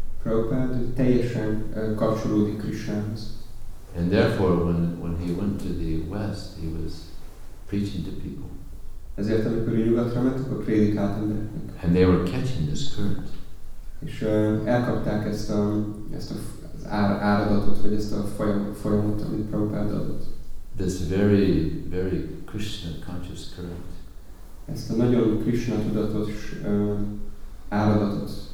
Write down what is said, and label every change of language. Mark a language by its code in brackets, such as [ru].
[hu] Prabhupád teljesen kapcsolódik Krishnához. [en] And therefore, when he went to the West, he was preaching to people. [hu] Ezért, amikor ő nyugatra ment, akkor prédikált embereknek. [en] And they were catching this current. [hu] És elkapták ezt az áradatot, vagy ezt a folyamot, amit Prabhupád adott. [en] This very, very Krishna-conscious current. [hu] Ezt a nagyon Krishna-tudatos áradatot.